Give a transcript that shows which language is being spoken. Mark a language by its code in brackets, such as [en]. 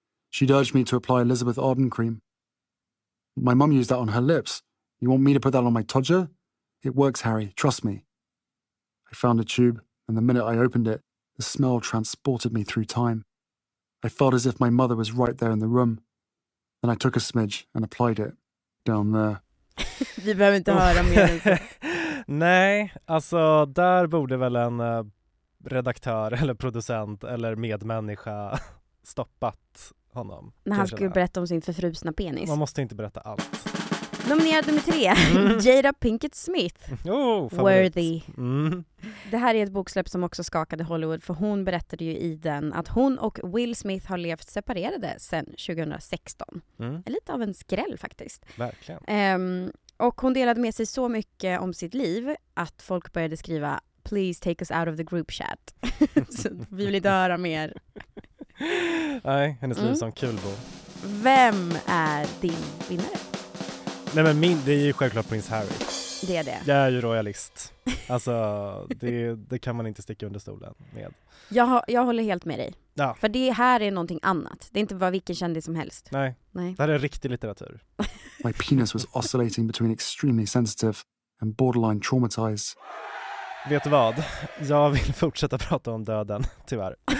[en] She'd urged me to apply Elizabeth Arden cream. My mum used that on her lips. You want me to put that on my todger? It works, Harry. Trust me. I found a tube, and the minute I opened it, the smell transported me through time. I felt as if my mother was right there in the room. Then I took a smidge and applied it down there. [sv] Vi behöver inte höra mer. Nej, alltså där borde väl en redaktör eller producent eller medmänniska stoppat honom. När han skulle berätta om sin förfrusna penis. Man måste inte berätta allt. Nominerad nummer 3, Jada Pinkett Smith. [en] Oh, worthy. Mm. [sv] Det här är ett boksläpp som också skakade Hollywood, för hon berättade ju i den att hon och Will Smith har levt separerade sedan 2016. Mm. Lite av en skräll faktiskt. Verkligen. Och hon delade med sig så mycket om sitt liv att folk började skriva [en] please take us out of the group chat. [sv] Så vi vill inte höra mer. Nej, hennes liv som kul bo. Vem är din vinnare? Nej, men det är ju självklart Prince Harry. Det är det. Jag är ju royalist. Alltså, det kan man inte sticka under stolen med. Jag håller helt med dig. Ja. För det här är någonting annat. Det är inte bara vilken kändis som helst. Nej. Nej. Det här är riktig litteratur. [en] My penis was oscillating between extremely sensitive and borderline traumatized. [sv] Vet du vad? Jag vill fortsätta prata om döden, tyvärr.